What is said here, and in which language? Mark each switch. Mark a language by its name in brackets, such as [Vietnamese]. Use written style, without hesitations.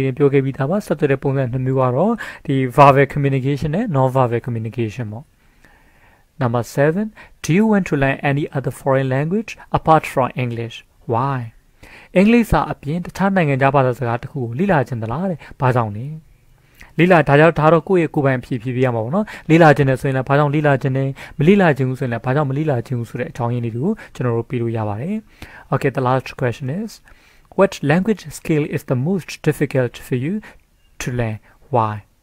[Burmese] ဆက်သွယ်တဲ့ပုံစံနှစ်မျိုးကဘာလဲဒါတော့ခုနကလေးရင်ပြောခဲ့ပြီးသားပါဆက်သွယ်တဲ့ပုံစံနှစ်မျိုးကတော့ဒီ verbal communication နဲ့ non-verbal communication ပေါ့ Number 7. [English] Do you want to learn any other foreign language apart from English? Why? [Burmese] English အပြင်တခြားနိုင်ငံခြားဘာသာစကားတစ်ခုကိုလေ့လာချင်သလားတဲ့ဘာကြောင့်လဲ လေ့လာဒါကြောင့်ဒါတော့ကိုယ့်ရဲ့ကိုယ်ပိုင်အဖြေဖြေပြရမှာပေါ့နော်လေ့လာခြင်းနဲ့ဆိုရင်လည်းဘာကြောင့်လေ့လာခြင်းနဲ့မလေ့လာခြင်းဘူးဆိုရင်လည်းဘာကြောင့်မလေ့လာခြင်းဘူးဆိုတဲ့အကြောင်းရင်းတွေကိုကျွန်တော်တို့ပြောလို့ရပါတယ် [English] Okay, the last question is What language skill is the most difficult for you to learn? Why?